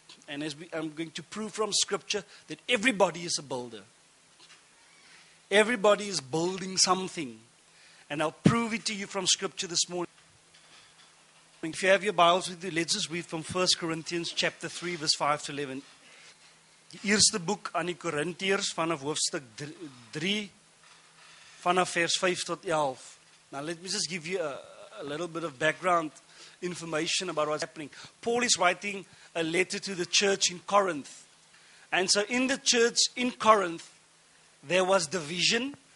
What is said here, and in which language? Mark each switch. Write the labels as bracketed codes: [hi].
[en] And as I'm going to prove from Scripture that everybody is a builder. Everybody is building something. And I'll prove it to you from Scripture this morning. If you have your Bibles with you, let's just read from 1 Corinthians chapter 3, verse 5 to 11. [af] Die eerste boek aan die Korintiërs vanaf hoofdstuk 3, vanaf vers 5 tot 11. [en] Now let me just give you a little bit of background information about what's happening. Paul is writing a letter to the church in Corinth. And so in the church in Corinth, there was division.